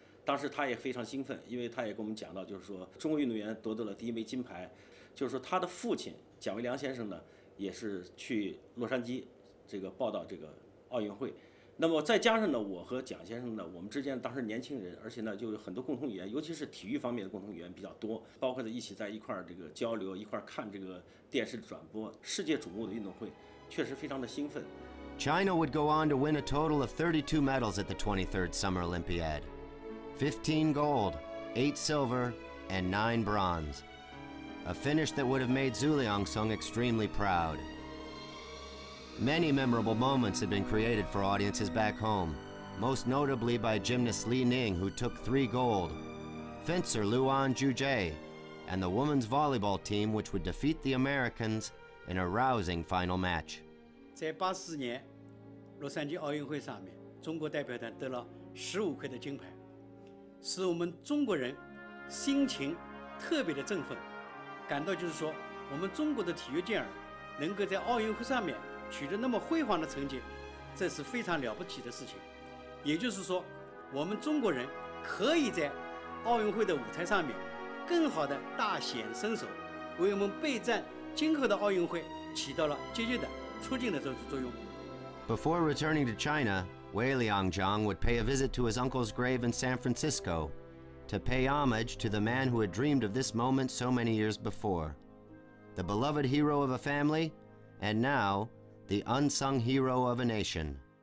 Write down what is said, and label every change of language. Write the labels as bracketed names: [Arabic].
[Chinese] 当时他也非常兴奋，因为他也跟我们讲到，就是说中国运动员夺得了第一枚金牌，就是说他的父亲蒋维良先生呢，也是去洛杉矶这个报道这个奥运会。那么再加上呢，我和蒋先生呢，我们之间当时年轻人，而且呢就有很多共同语言，尤其是体育方面的共同语言比较多，包括在一起在一块儿这个交流，一块儿看这个电视转播世界瞩目的运动会，确实非常的兴奋。 [English] China would go on to win a total of 32 medals at the 23rd Summer Olympiad, 15 gold, 8 silver, and 9 bronze, a finish that would have made Zu-Liang Sung extremely proud. Many memorable moments had been created for audiences back home, most notably by gymnast Li Ning, who took 3 gold, fencer Luan Juje, and the women's volleyball team, which would defeat the Americans in a rousing final match. [Chinese] 在84年洛杉矶奥运会上面，中国代表团得了15块的金牌，使我们中国人心情特别的振奋，感到就是说，我们中国的体育健儿能够在奥运会上面。取得那么辉煌的成绩，这是非常了不起的事情。也就是说，我们中国人可以在奥运会的舞台上面更好的大显身手，为我们备战今后的奥运会起到了积极的促进的作用。 [English] Before returning to China, Weiliang Jiang would pay a visit to his uncle's grave in San Francisco to pay homage to the man who had dreamed of this moment so many years before. The beloved hero of a family, and now,The unsung hero of a nation.